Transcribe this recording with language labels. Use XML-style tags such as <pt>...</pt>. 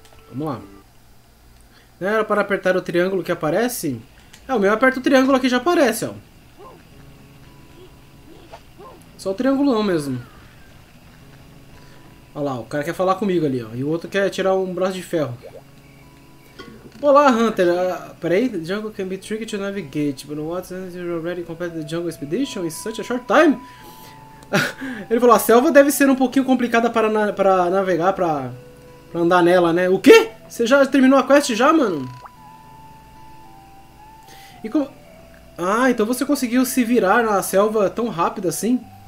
<pt>Vamos lá. Não era para apertar o triângulo que aparece? É, o meu aperta o triângulo aqui já aparece, ó. Só o triângulão mesmo. Olha lá, o cara quer falar comigo ali, ó. E o outro quer tirar um braço de ferro. Olá, Hunter. Peraí.</pt> <en>The jungle can be tricky to navigate. But what since you already completed the jungle expedition in such a short time?</en> <pt>Ele falou, a selva deve ser um pouquinho complicada para navegar, para... Pra andar nela, né? O quê? Você já terminou a quest já, mano? E como... Ah, então você conseguiu se virar na selva tão rápido assim?</pt>